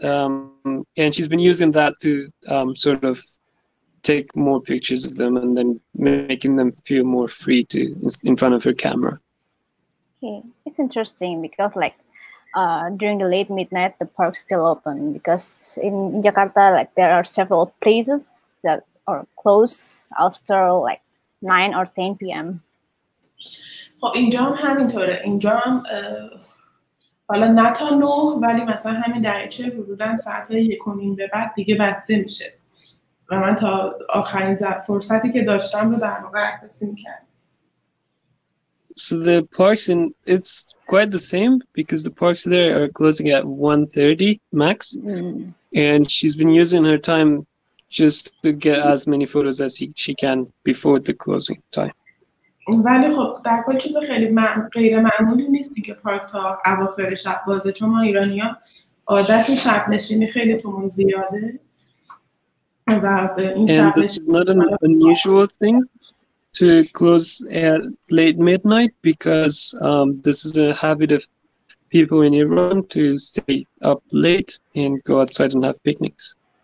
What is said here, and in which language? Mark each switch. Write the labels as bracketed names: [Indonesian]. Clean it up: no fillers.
[English] And she's been using that to sort of take more pictures of them and then making them feel more free to in front of her camera. Okay. It's interesting because like during the late midnight, the park's still open because in Jakarta, like there are several places that are closed after like 9 or 10 p.m. [Persian] خب اینجا هم همینطوره، اینجا هم حالا نه تا 9 ولی مثلا همین دقیقه حدودن ساعت 1:30 به بعد دیگه بسته میشه و من تا آخرین فرصتی که داشتم رو در واقع عکاسی میکردم. [English] So the parks in it's quite the same because the parks there are closing at 1:30 max, and she's been using her time just to get as many photos as she can before the closing time. [Persian] ولی خب در کل چیز خیلی غیر معمولی نیست که پارک تا اواخر شب بازه، چون ما ایرانی ها عادت شب نشینی خیلی تومون زیاده و این شب [English] نشینی and this is not an unusual thing to close at late midnight because this is a habit of people in Iran to stay up late and go outside and have picnics.